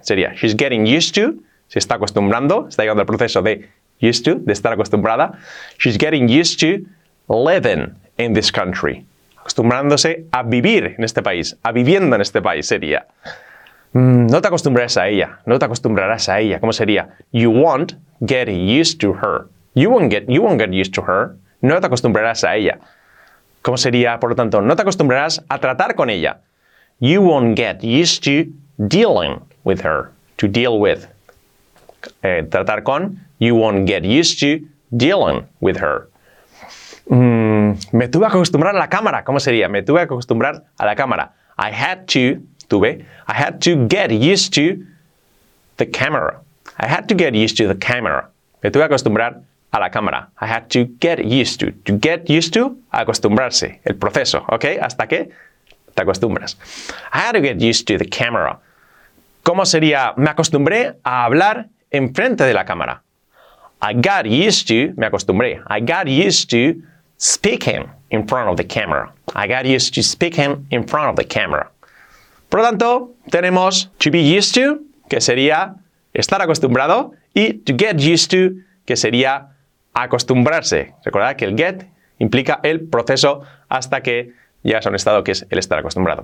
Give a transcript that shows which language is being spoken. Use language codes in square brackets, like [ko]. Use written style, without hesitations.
[es] Sería, [en] she's getting used to, [es] se está acostumbrando, está llegando al proceso de used to, de estar acostumbrada. [en] She's getting used to living in this country. [es] Acostumbrándose a vivir en este país, a viviendo en este país, sería. No te acostumbrarás a ella, no te acostumbrarás a ella. ¿Cómo sería? [en] You won't get used to her. You won't get used to her. [es] No te acostumbrarás a ella. ¿Cómo sería, por lo tanto, no te acostumbrarás a tratar con ella? [en] You won't get used to dealing with her. To deal with. [es] Tratar con. [en] You won't get used to dealing with her. [es] Me tuve que acostumbrar a la cámara. ¿Cómo sería? Me tuve que acostumbrar a la cámara. [en] I had to get used to the camera. I had to get used to the camera. [es] Me tuve que acostumbrar a la cámara. [en] I had to get used to. To get used to, [es] acostumbrarse. El proceso, ¿ok? Hasta que te acostumbras. [en] I had to get used to the camera. [es] ¿Cómo sería? Me acostumbré a hablar en frente de la cámara. [en] I got used to speaking in front of the camera. I got used to speaking in front of the camera. [es] Por lo tanto, tenemos [en] to be used to, [es] que sería estar acostumbrado, y [en] to get used to, [es] que sería acostumbrarse. Recordad que el get implica el proceso hasta que llegas a un estado que es el estar acostumbrado.